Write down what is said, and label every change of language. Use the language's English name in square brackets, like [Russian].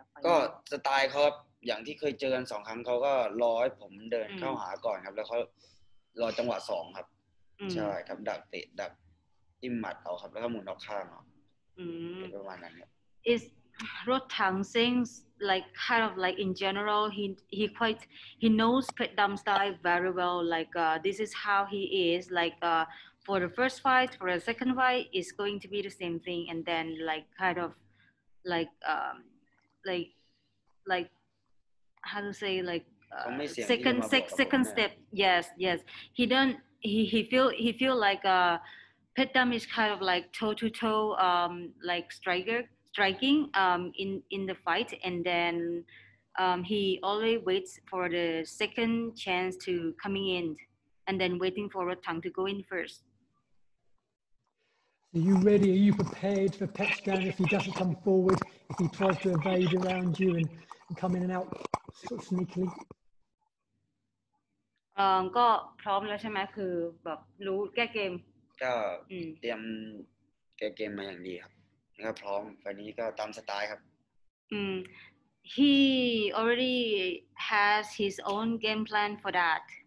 [Thai] ไปก็สไตล์เขาอย่างที่เคยเจอกันสองครั้งเขาก็รอให้ผมเดินเข้าหาก่อนครับแล้วเขารอจังหวะสองครับใช่ครับดักเตะดักอิมมัดเอาครับแล้วก็หมุนออกข้างเนาะประมาณนั้นครับ [English] Is Rod Tang thinks like kind of like in general he knows Pet Dam style very well like this is how he is like for the first fight for the second fight is going to be the same thing and then like kind ofLike how to say like second step. Yes. He feel like Pet Dam is kind of like toe to toe like striking in the fight and then he always waits for the second chance to coming in and then waiting for Rod Tang to go in first. Are you ready? Are you prepared for Pet Dam if he doesn't come forward? If he tries to evade around you and come in and out sort of sneakily. [Thai] ก็พร้อมแล้วใช่ไหมคือแบบรู้แก้เกม ก็เตรียมแก้เกมมาอย่างดีครับแล้วก็พร้อมไฟนี้ก็ตามสไตล์ครับ [English] He already has his own game plan for that.